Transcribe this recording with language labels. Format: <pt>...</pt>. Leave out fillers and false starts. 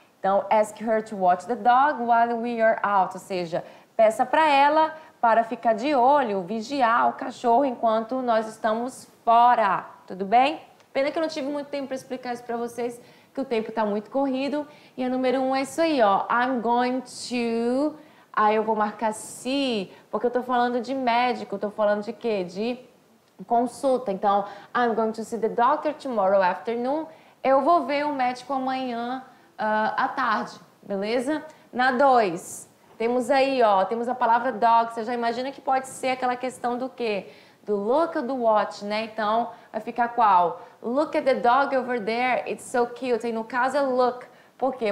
<pt>Então,</pt> <en>ask her to watch the dog while we are out,</en> <pt>ou seja, peça para ela para ficar de olho, vigiar o cachorro enquanto nós estamos fora, tudo bem? Pena que eu não tive muito tempo para explicar isso para vocês, que o tempo está muito corrido. E a número 1 é isso aí, ó.</pt> <en>I'm going to...</en> <pt>Aí eu vou marcar see, porque eu estou falando de médico. Estou falando de quê? De consulta.</pt> <en>Então, I'm going to see the doctor tomorrow afternoon.</en> <pt>Eu vou ver o médico amanhã à tarde, beleza? Na 2, temos aí, ó. Temos a palavra dog. Você já imagina que pode ser aquela questão do quê? Do look ou do watch, né? Então, vai ficar qual?</pt> <en>Look at the dog over there, it's so cute.</en> <pt>E no caso é look. Por quê?</pt>